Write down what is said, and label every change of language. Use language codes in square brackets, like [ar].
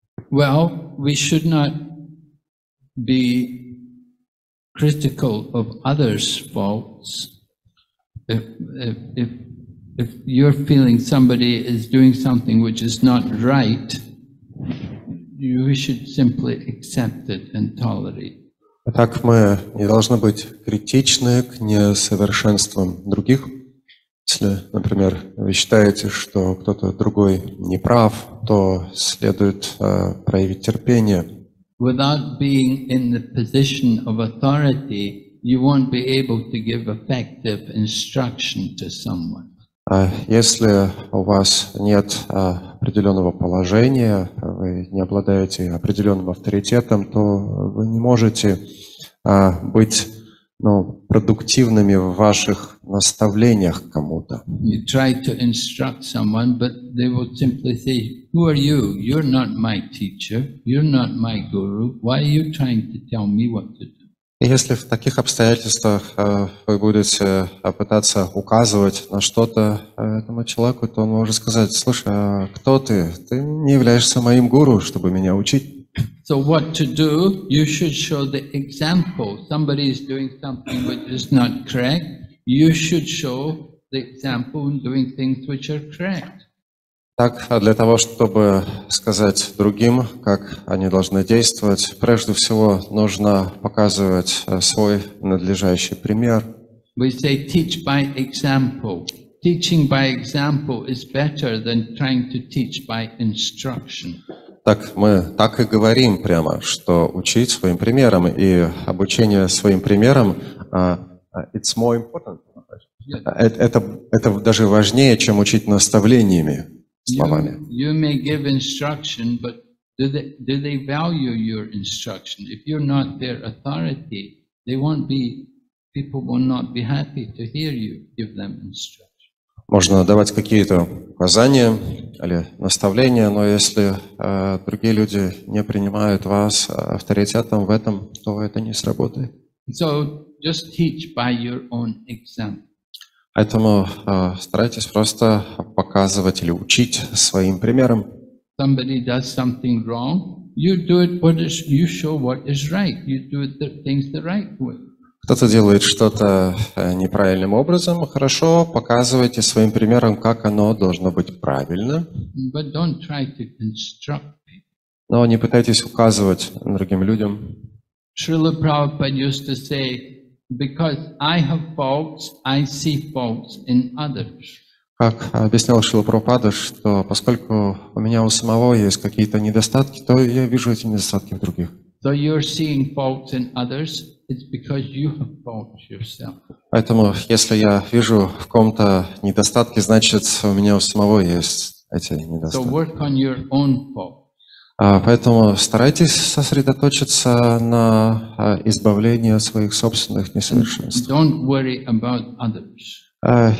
[en] Well, we should not be critical of others' faults. If you're feeling somebody is doing something which is not right, you should simply accept it and tolerate. [ru] Так мы не должны быть критичны к несовершенствам других. Если, например, вы считаете, что кто-то другой не прав, то следует проявить терпение. [en] Without being in the position of authority, you won't be able to give effective instruction to someone. [ru] Если у вас нет определенного положения, вы не обладаете определенным авторитетом, то вы не можете быть продуктивными в ваших наставлениях кому-то. [en] You try to instruct someone, but they will simply say, who are you? You're not my teacher, you're not my guru, why are you trying to tell me what to do? [ru] Если в таких обстоятельствах вы будете пытаться указывать на что-то этому человеку, то он может сказать, слушай, а кто ты? Ты не являешься моим гуру, чтобы меня учить. [en] So what to do? You should show the example. Somebody is doing something which is not correct. You should show the example in doing things which are correct. [ru] Так, а для того, чтобы сказать другим, как они должны действовать, прежде всего нужно показывать свой надлежащий пример. [en] We say teach by example. Teaching by example is better than trying to teach by instruction. [ru] Так мы так и говорим прямо, что учить своим примером и обучение своим примером [en] it's more important. [ru] Это даже важнее, чем учить наставлениями, словами. [en] You may give instruction, but do they value your instruction? If you're not their authority, they won't be, people will not be happy to hear you give them instruction. [ru] Можно давать какие-то указания или наставления, но если другие люди не принимают вас авторитетом в этом, то это не сработает. [en] So just teach by your own example. [ru] Поэтому старайтесь просто показывать или учить своим примером. [en] Somebody does something wrong, you do it what is, you show what is right. You do things the right way. [ru] Кто-то делает что-то неправильным образом, хорошо, показывайте своим примером, как оно должно быть правильно. [en] But don't try to instruct people. [ru] Но не пытайтесь указывать другим людям. [en] Шрила Прабхупада used to say, because I have faults, I see faults in others. [ru] Как объяснял Шрила Прабхупада, что поскольку у меня у самого есть какие-то недостатки, то я вижу эти недостатки в других. [en] So you're seeing faults in others, it's because you have faults yourself. [ru] Поэтому, если я вижу в ком-то недостатки, значит, у меня у самого есть эти недостатки. [en] So work on your own faults. [ru] Поэтому старайтесь сосредоточиться на избавлении от своих собственных несовершенств. [en] Don't worry about others.